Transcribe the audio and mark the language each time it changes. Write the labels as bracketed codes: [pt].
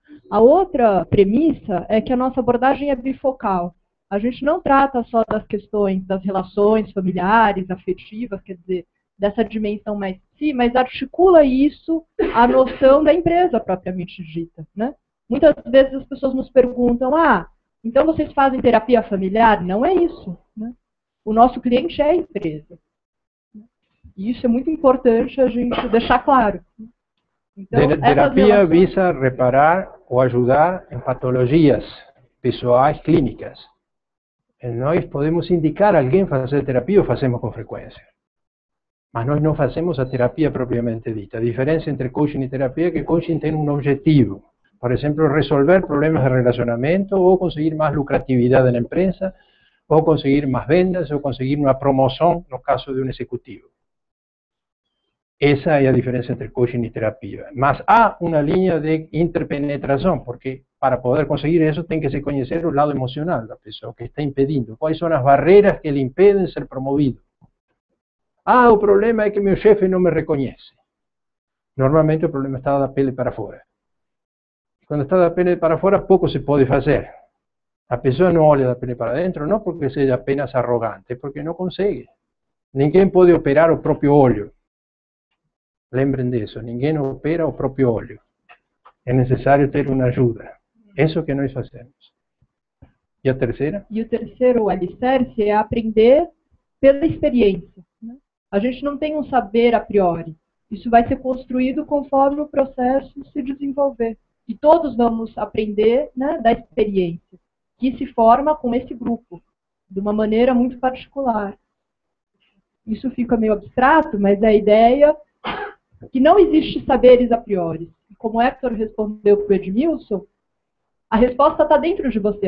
[es] La otra premisa es que nuestra abordaje es bifocal. A gente no trata solo de las cuestiones, de las relaciones familiares, afetivas, [pt] quer dizer, [es] de esa dimensión más sí, mas articula eso a noción de empresa propiamente dita. [pt] Né? Muitas vezes as pessoas nos perguntam, ah, então vocês fazem terapia familiar? Não é isso. Né? O nosso cliente é a empresa. E isso é muito importante a gente deixar claro. Então, terapia relações... visa reparar ou ajudar em patologias pessoais clínicas. E nós podemos indicar alguém fazer terapia ou fazemos com frequência. Mas nós não fazemos a terapia propriamente dita. A diferença entre coaching e terapia é que coaching tem um objetivo. [es] Por ejemplo, resolver problemas de relacionamiento o conseguir más lucratividad en la empresa o conseguir más ventas o conseguir una promoción en el caso de un ejecutivo. Esa es la diferencia entre coaching y terapia. Más hay una línea de interpenetración, porque para poder conseguir eso tiene que se conocer el lado emocional de la persona que está impediendo. ¿Cuáles son las barreras que le impiden ser promovido? Ah, el problema es que mi jefe no me reconoce. Normalmente el problema está de la piel para afuera. Cuando está de la piel para afuera, poco se puede hacer. La persona no olha de la piel para adentro, no porque sea apenas arrogante, porque no consigue. Ninguém puede operar el propio óleo. Lembren de eso, ninguém opera el propio óleo. Es necesario tener una ayuda. Eso que nosotros hacemos. ¿Y la tercera? Y el tercero alicerce es aprender pela experiencia. A gente no tiene un saber a priori. Eso va a ser construido conforme el proceso se desenvolver. [pt] E todos vamos aprender, né, da experiência que se forma com esse grupo, de uma maneira muito particular. Isso fica meio abstrato, mas é a ideia que não existe saberes a priori. Como o Héctor respondeu para o Edmilson, a resposta está dentro de você.